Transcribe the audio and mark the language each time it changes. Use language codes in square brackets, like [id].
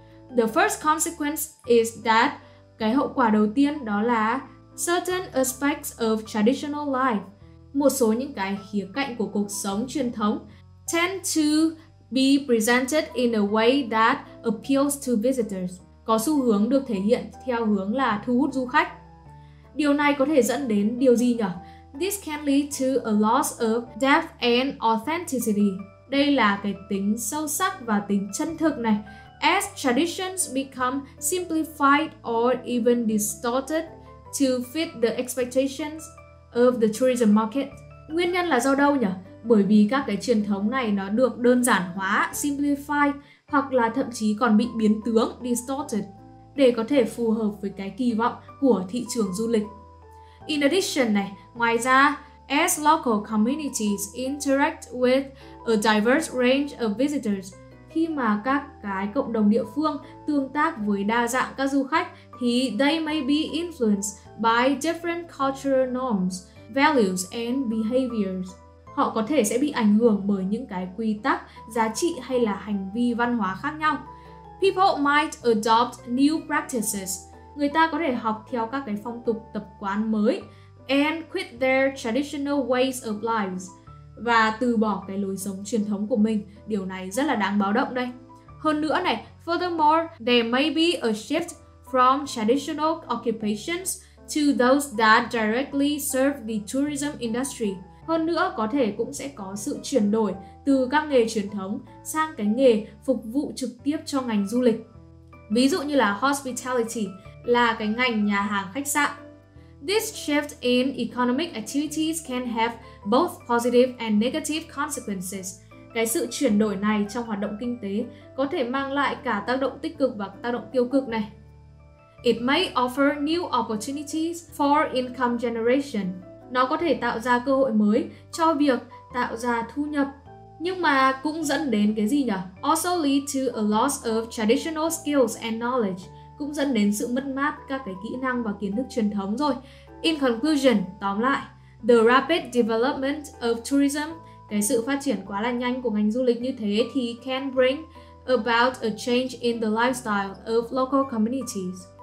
[en] The first consequence is that, [vi] cái hậu quả đầu tiên đó là [en] certain aspects of traditional life, [vi] một số những cái khía cạnh của cuộc sống truyền thống, [en] tend to be presented in a way that appeals to visitors, [vi] có xu hướng được thể hiện theo hướng là thu hút du khách. Điều này có thể dẫn đến điều gì nhỉ? [en] This can lead to a loss of depth and authenticity. [vi] Đây là cái tính sâu sắc và tính chân thực này. [en] As traditions become simplified or even distorted to fit the expectations of the tourism market. [vi] Nguyên nhân là do đâu nhỉ? Bởi vì các cái truyền thống này nó được đơn giản hóa, simplified, hoặc là thậm chí còn bị biến tướng, distorted, để có thể phù hợp với cái kỳ vọng của thị trường du lịch. [en] In addition [vi] này, ngoài ra, [en] as local communities interact with a diverse range of visitors, [vi] khi mà các cái cộng đồng địa phương tương tác với đa dạng các du khách, thì [en] they may be influenced by different cultural norms, values and behaviors. [vi] Họ có thể sẽ bị ảnh hưởng bởi những cái quy tắc, giá trị hay là hành vi văn hóa khác nhau. [en] People might adopt new practices. [vi] Người ta có thể học theo các cái phong tục tập quán mới. [en] and quit their traditional ways of lives, [vi] và từ bỏ cái lối sống truyền thống của mình. Điều này rất là đáng báo động đây. Hơn nữa này, [en] furthermore, there may be a shift from traditional occupations to those that directly serve the tourism industry. [vi] Hơn nữa, có thể cũng sẽ có sự chuyển đổi từ các nghề truyền thống sang cái nghề phục vụ trực tiếp cho ngành du lịch. Ví dụ như là hospitality, là cái ngành nhà hàng khách sạn. [en] This shift in economic activities can have both positive and negative consequences. [vi] Cái sự chuyển đổi này trong hoạt động kinh tế có thể mang lại cả tác động tích cực và tác động tiêu cực này. [en] It may offer new opportunities for income generation. [vi] Nó có thể tạo ra cơ hội mới cho việc tạo ra thu nhập. Nhưng mà cũng dẫn đến cái gì nhỉ? [en] Also lead to a loss of traditional skills and knowledge. [vi] Cũng dẫn đến sự mất mát các cái kỹ năng và kiến thức truyền thống rồi. [en] In conclusion, [vi] tóm lại, [en] the rapid development of tourism, [vi] cái sự phát triển quá là nhanh của ngành du lịch như thế thì [en] can bring about a change in the lifestyle of local communities.